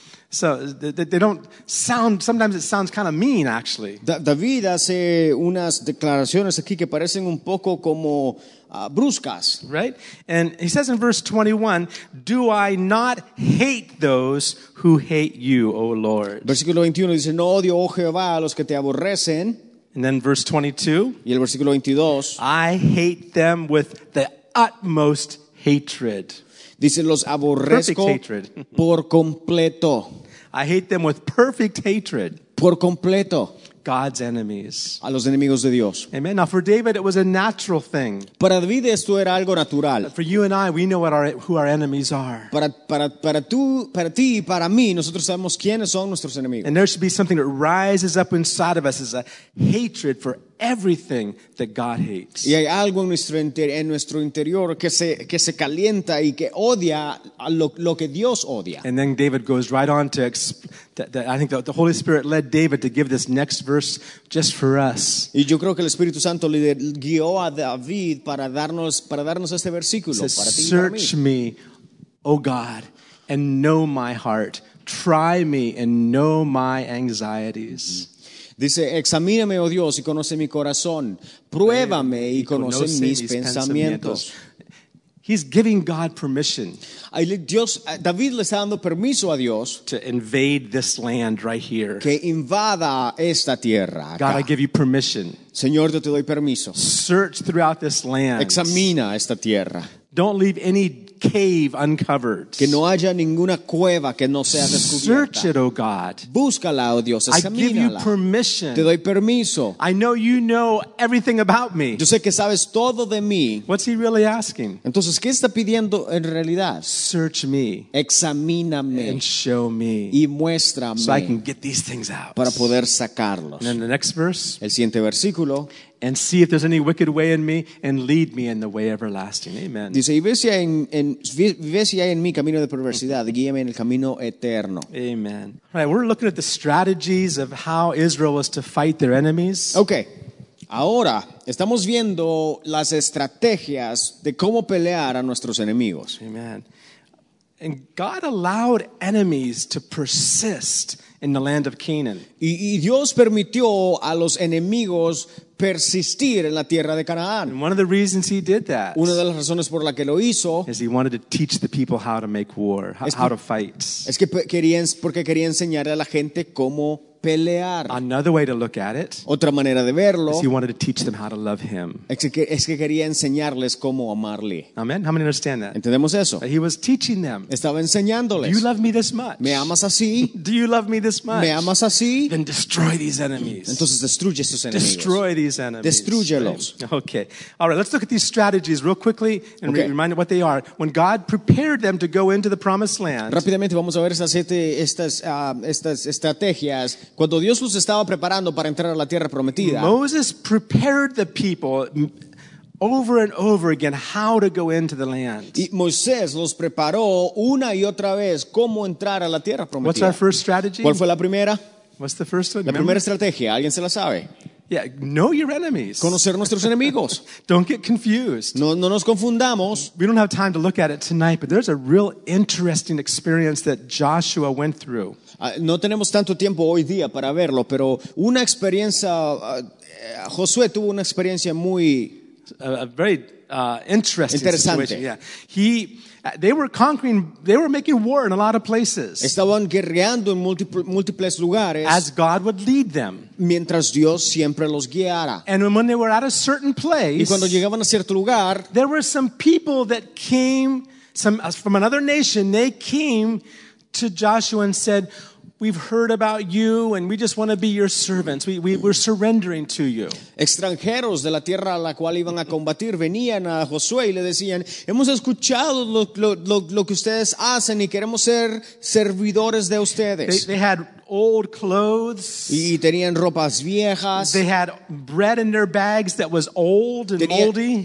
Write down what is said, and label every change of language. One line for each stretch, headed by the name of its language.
English: So they don't sound, sometimes it sounds kind of mean, actually.
Spanish: David hace unas declaraciones aquí que parecen un poco como bruscas.
English: Right? And he says in verse 21, do I not hate those who hate you, O Lord?
Spanish: Versículo 21 dice, no odio, oh Jehová, a los que te aborrecen.
English: And then verse 22.
Spanish: Y el versículo 22.
English: I hate them with the utmost hatred.
Spanish: Dice, los aborrezco por completo.
English: I hate them with perfect hatred.
Spanish: Por completo.
English: God's enemies.
Spanish: A los enemigos de Dios.
English: Amen. Now for David, it was a natural thing.
Spanish: Para David esto era algo natural.
English: But for you and I, we know what who our enemies are.
Spanish: Para ti y para mí, nosotros sabemos quiénes son nuestros enemigos.
English: And there should be something that rises up inside of us as a hatred for everything that God hates.
Spanish: Y hay algo en nuestro interior que se calienta y que odia lo que Dios odia.
English: And then David goes right on to I think the Holy Spirit led David to give this next verse just for us.
Spanish: Y yo creo que el Espíritu Santo le guió a David para darnos este versículo.
English: Says,
Spanish: para ti y para mí.
English: Search me, O God, and know my heart. Try me and know my anxieties. Mm-hmm.
Spanish: Dice, examíname, oh Dios, y conoce mi corazón. Pruébame y conoce mis pensamientos.
English: He's giving God permission.
Spanish: David le está dando permiso a Dios.
English: To invade this land right here.
Spanish: Que invada esta tierra. Acá.
English: God, I give you permission.
Spanish: Señor, yo te doy permiso.
English: Search throughout this land.
Spanish: Examina esta tierra.
English: Don't leave any cave uncovered.
Spanish: Que no haya ninguna cueva que no sea descubierta.
English: Search it, O God.
Spanish: Búscala, oh Dios, examínala.
English: I give you permission.
Spanish: Te doy permiso.
English: I know you know everything about me.
Spanish: Yo sé que sabes todo de mí.
English: What's he really asking?
Spanish: Entonces, ¿qué está pidiendo en realidad?
English: Search me.
Spanish: Examíname.
English: And show me.
Spanish: Y muéstrame.
English: So I can get these things out.
Spanish: Para poder sacarlos.
English: And then the next verse.
Spanish: El siguiente versículo.
English: And see if there's any wicked way in me, and lead me in the way everlasting. Amen.
Spanish: Dice, y ve si hay en mí camino de perversidad, guíame en el camino eterno. Amen.
English: All right, we're looking at the strategies of how Israel was to fight their enemies. Okay.
Spanish: Ahora, estamos viendo las estrategias de cómo pelear a nuestros enemigos.
English: Amen. And God allowed enemies to persist in the land of Canaan.
Spanish: Y Dios permitió a los enemigos persistir en la tierra de Canaán.
English: And one of the reasons he did that,
Spanish: una de las razones por la que lo hizo,
English: is he wanted to teach the people how to make war, how to fight.
Spanish: Es que quería enseñar a la gente cómo pelear.
English: Another way to look at it,
Spanish: otra manera de verlo,
English: is he wanted to teach them how to love him.
Spanish: Es que quería enseñarles cómo amarle.
English: Amen. How many understand that?
Spanish: Entendemos eso.
English: But he was teaching them.
Spanish: Estaba enseñándoles.
English: Do you love me this much?
Spanish: ¿Me amas así?
English: Do you love me this much?
Spanish: ¿Me amas así?
English: Then destroy these enemies.
Spanish: Entonces destruye estos enemigos.
English: Destroy these enemies.
Spanish: Destrúyelos.
English: Okay. All right. Let's look at these strategies real quickly and remind what they are. When God prepared them to go into the promised land.
Spanish: Rápidamente vamos a ver estas estrategias. Cuando Dios los estaba preparando para entrar a la tierra prometida,
English: Moses prepared the people over and over again how to go into the land.
Spanish: Y Moisés los preparó una y otra vez cómo entrar a la tierra prometida.
English: What's our first strategy?
Spanish: ¿Cuál fue la primera?
English: What's the first one?
Spanish: La primera estrategia, ¿alguien se la sabe?
English: Yeah, know your enemies.
Spanish: Conocer nuestros enemigos.
English: Don't get confused.
Spanish: No nos confundamos.
English: We don't have time to look at it tonight, but there's a real interesting experience that Joshua went through.
Spanish: No tenemos tanto tiempo hoy día para verlo, pero una experiencia, Josué tuvo una experiencia muy...
English: A very interesting situation. Yeah. They were conquering, they were making war in a lot of places.
Spanish: Estaban guerreando en múltiples lugares.
English: As God would lead them.
Spanish: Mientras Dios siempre los guiara.
English: And when they were at a certain place,
Spanish: y cuando llegaban a cierto lugar,
English: there were some people that came, some from another nation, they came to Joshua and said, "We've heard about you and we just want to be your servants. We're surrendering to you."
Spanish: Extranjeros de la tierra a la cual iban a combatir venían a Josué y le decían, "Hemos escuchado lo que ustedes hacen y queremos ser servidores de ustedes."
English: They had old clothes.
Spanish: Y tenían ropas viejas.
English: They had bread in their bags that was old and moldy.